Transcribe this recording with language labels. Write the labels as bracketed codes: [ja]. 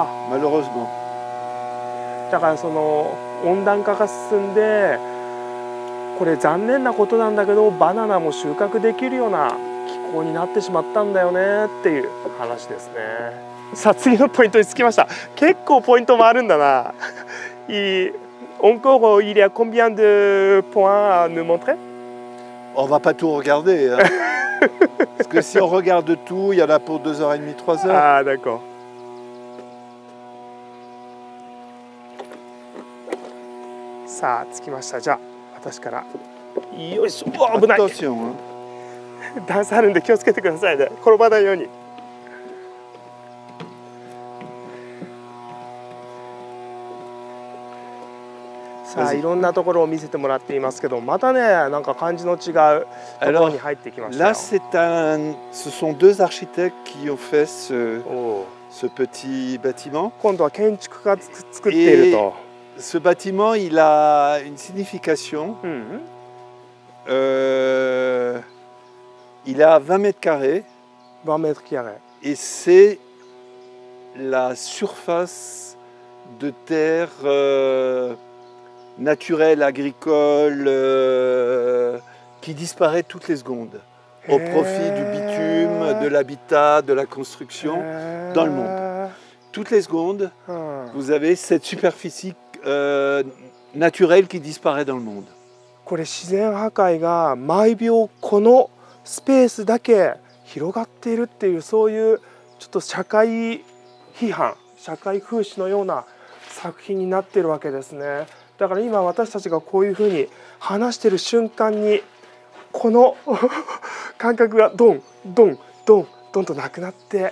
[ja] malheureusementだからその温暖化が進んでこれ残念なことなんだけどバナナも収穫できるような気候になってしまったんだよねっていう話ですねさあ次のポイントに着きました結構ポイントもあるんだな [fr] encore il y a combien de points à nous montrer on va pas tout regarder hein. parce que si on regarde tout il y en a pour 2h30 3h ah d'accord [ja] さあ、着きました。じゃあ、私から。よいしょ、危ない。 [fr] Attention. [ja] 段差あるんで気をつけてくださいね。転ばないように。さあ、いろんなところを見せてもらっていますけど、またね、なんか感じの違うところに入ってきましたよ。 [fr] Alors, là, c'est un... ce sont deux architectes qui ont fait ce... ce petit bâtiment. [ja] 今度は建築家が作っていると。 [fr] Et... Ce bâtiment, il a une signification. Mm-hmm. Il a 20 mètres carrés. 20 mètres carrés. Et c'est la surface de terre naturel, agricole, qui disparaît toutes les secondes au profit du bitume, de l'habitat, de la construction dans le monde. Toutes les secondes, vous avez cette superficie naturelle qui disparaît dans le monde. [ja] これ自然破壊が毎秒このスペースだけ広がっているっていうそういうちょっと社会批判、社会風刺のような作品になっているわけですね。だから今私たちがこういうふうに話している瞬間にこの感覚がドンドンドンドンとなくなって、